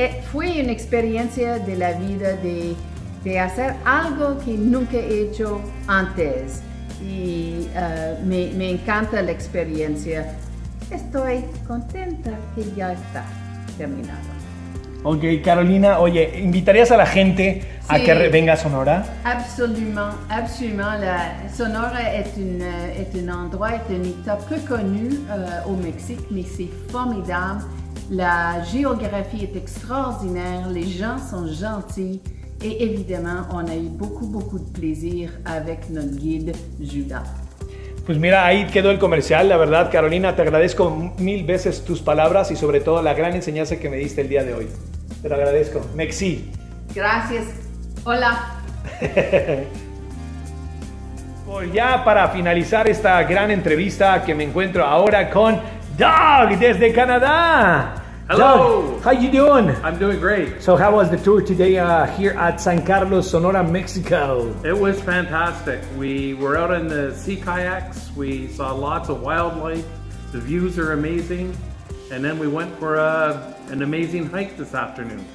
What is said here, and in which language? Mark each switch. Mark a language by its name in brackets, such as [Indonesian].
[Spanish] Fue una experiencia de la vida de hacer algo que nunca he hecho antes. Y me encanta la experiencia. Estoy contenta que ya está terminado. Ok, Carolina, oye, ¿invitarías a la gente a que venga a Sonora? [French] Absolument, absolument. Sonora es un endroit, es un état peu connu au Mexique, mais c'est formidable. La géographie est extraordinaire, les gens sont gentils. Et évidemment, on a eu beaucoup, beaucoup de plaisir avec notre guide, Judas. [Spanish] Pues mira, ahí quedó el comercial. La verdad, Carolina, te agradezco mil veces tus palabras y sobre todo la gran enseñanza que me diste el día de hoy. Te lo agradezco. Merci. Gracias. Hola. Pues ya para finalizar esta gran entrevista que me encuentro ahora con Doug desde Canadá. [English] Hello. Doug, how you doing? I'm doing great. So how was the tour today here at San Carlos, Sonora, Mexico? It was fantastic. We were out in the sea kayaks. We saw lots of wildlife. The views are amazing. And then we went for a an amazing hike this afternoon.